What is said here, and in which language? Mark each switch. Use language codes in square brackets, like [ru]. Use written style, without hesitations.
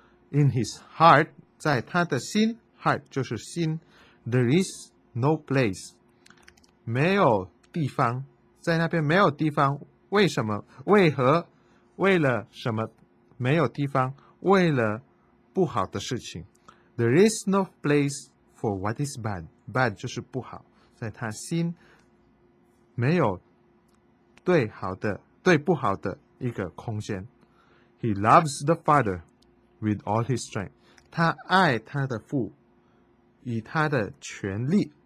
[en] In his heart， [zh] 在他的心， heart 就是心， [en] there is no place， [zh] 没有地方，在那边没有地方。为什么？为何？为了什么？没有地方，为了不好的事情。 [en] There is no place for what is bad. [zh] Bad 就是不好。在他心没有对好的，对不好的一个空间。 [en] He loves the Father with all his strength. [zh] 他爱他的父以他的全力。